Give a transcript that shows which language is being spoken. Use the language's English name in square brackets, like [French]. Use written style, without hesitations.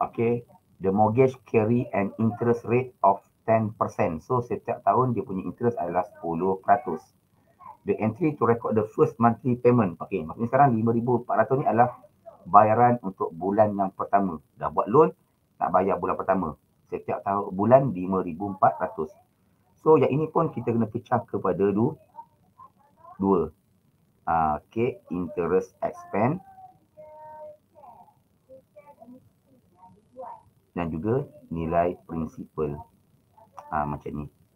[English] Okay, the mortgage carry an interest rate of 10%. [Malay] So setiap tahun dia punya interest adalah 10%. [English] The entry to record the first monthly payment. [Malay] Okay, maksudnya sekarang $5,400 ni adalah bayaran untuk bulan yang pertama. Dah buat loan, nak bayar bulan pertama. Setiap tahun bulan RM5,400. So yang ini pun kita kena pecah kepada dua. Okay, interest expense dan juga nilai principal. Macam ni.